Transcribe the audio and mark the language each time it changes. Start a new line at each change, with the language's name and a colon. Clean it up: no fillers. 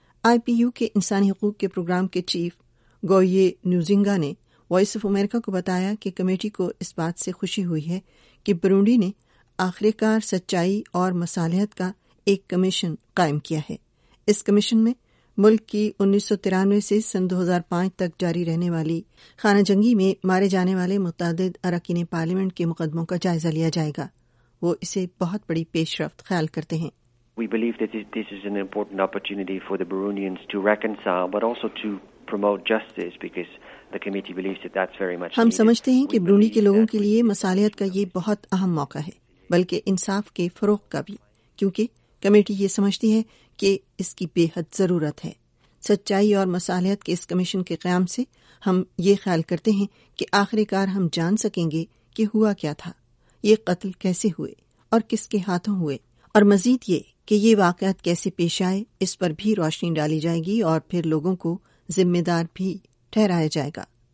Urdu: آئی P U کے انسانی حقوق کے پروگرام کے چیف گوئیے نیوزنگا نے وائس آف امریکہ کو بتایا کہ کمیٹی کو اس بات سے خوشی ہوئی ہے کہ برونڈی نے آخر کار سچائی اور مصالحت کا ایک کمیشن قائم کیا ہے۔ اس کمیشن میں ملک کی 1993 سے 2005 تک جاری رہنے والی خانہ جنگی میں مارے جانے والے متعدد اراکین پارلیمنٹ کے مقدموں کا جائزہ لیا جائے گا۔ وہ اسے بہت بڑی پیش رفت خیال کرتے ہیں۔
English: We believe that this is an important opportunity for the Burundians to reconcile but also to promote justice because the committee believes that that's very much
Urdu: ہم سمجھتے ہیں کہ برونڈی کے لوگوں کے لیے مصالحت کا یہ بہت اہم موقع ہے، بلکہ انصاف کے فروغ کا بھی، کیونکہ کمیٹی یہ سمجھتی ہے کہ اس کی بے حد ضرورت ہے۔ سچائی اور مصالحت کے اس کمیشن کے قیام سے ہم یہ خیال کرتے ہیں کہ آخر کار ہم جان سکیں گے کہ ہوا کیا تھا، یہ قتل کیسے ہوئے اور کس کے ہاتھوں ہوئے، اور مزید یہ کہ یہ واقعات کیسے پیش آئے، اس پر بھی روشنی ڈالی جائے گی اور پھر لوگوں کو ذمہ دار بھی ٹھہرایا جائے گا۔